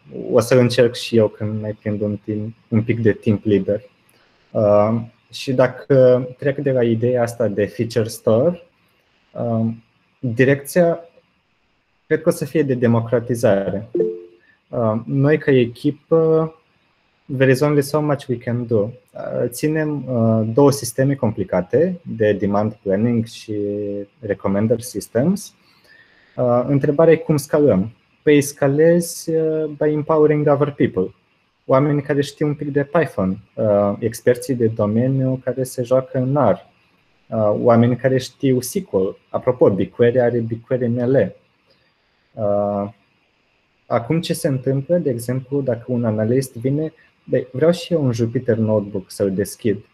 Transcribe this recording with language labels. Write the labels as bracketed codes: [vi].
[ro] O să încerc și eu când mai prind un pic de timp liber. Și dacă trec de la ideea asta de feature store, direcția cred că o să fie de democratizare. Noi ca echipă, [en] there is only so much we can do. [ro] Ținem două sisteme complicate de demand planning și recommender systems. Întrebarea e cum scalăm? Păi scalezi [en] by empowering other people. [ro] Oameni care știu un pic de Python, experții de domeniu care se joacă în R, oameni care știu SQL. Apropo, BigQuery are BigQuery ML. Acum ce se întâmplă, de exemplu, dacă un analist vine, vreau și eu un Jupyter Notebook să-l deschid.